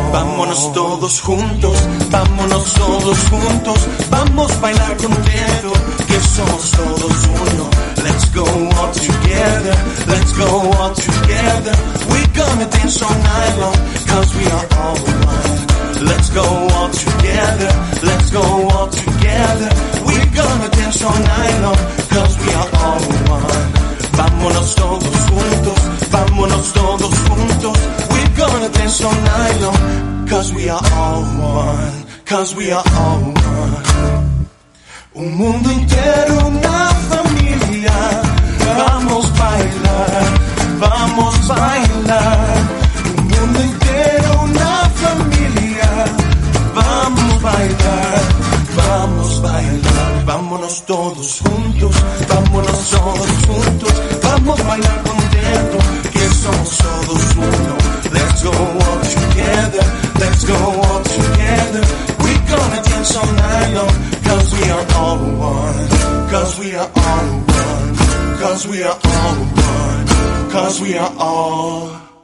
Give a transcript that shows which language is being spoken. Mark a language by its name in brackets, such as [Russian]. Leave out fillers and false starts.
[Spanish] Vámonos todos juntos, vámonos todos juntos, vamos a bailar con viento, que somos todos uno. [English] Let's go all together, let's go all together, we're gonna dance all night long, cause we are all one. Let's go all together, let's go all together, we're gonna dance all night long, cause we are all one. [Spanish] Vámonos todos juntos, vámonos todos juntos. [English] We're gonna dance all night long, cause we are all one, cause we are all one. [Spanish] Un mundo entero, una familia. Vamos a bailar, vamos a bailar. Un mundo entero, una familia. Vamos a bailar, vamos a bailar. Vámonos todos juntos, vámonos todos juntos. Vamos a bailar contento, que somos todos uno. [English] Let's go all together, let's go all together. We're gonna dance all night long, cause we are all one. Cause we are all one, cause we are all one, cause we are all one.